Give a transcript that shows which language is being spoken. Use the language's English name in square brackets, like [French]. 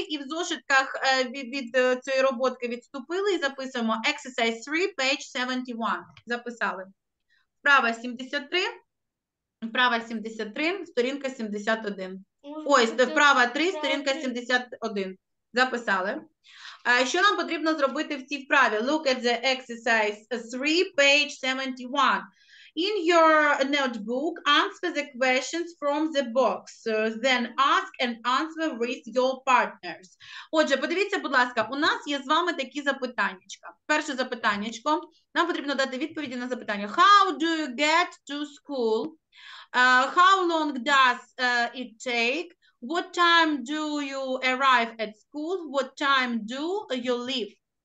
[Ukrainian] І в зошитках від цієї роботки відступили і записуємо [English] Exercise 3, page 71. [Ukrainian] Записали. Вправа 73. Вправа 73, сторінка 71. Ой, вправа 3, сторінка 71. Записали. Що нам потрібно зробити в цій вправі? [English] Look at the exercise 3, page 71. In your notebook, answer the questions from the box. Then ask and answer with your partners. [Ukrainian] Отже, подивіться, будь ласка, у нас є з вами такі запитаннячка. Перше запитаннячко. Нам потрібно дати відповіді на запитання. [English] How do you get to school? How long does it take? What time do you arrive at school? What time do you leave?